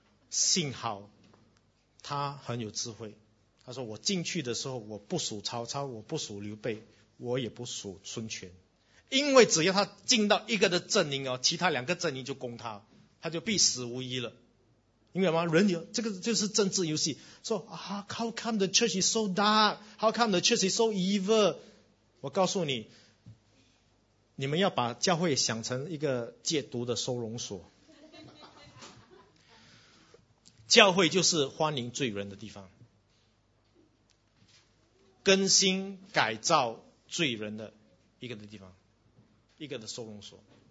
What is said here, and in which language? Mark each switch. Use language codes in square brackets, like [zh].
[zh] 幸好他很有智慧，他说我进去的时候我不属曹操，我不属刘备，我也不属孙权，因为只要他进到一个的阵营哦，其他两个阵营就攻他，他就必死无疑了。明白吗？人有这个就是政治游戏。说啊 [en] ，How come the church is so dark? How come the church is so evil? [zh] 我告诉你。你们要把教会想成一个戒毒的收容所，教会就是欢迎罪人的地方，更新改造罪人的一个的地方，一个的收容所。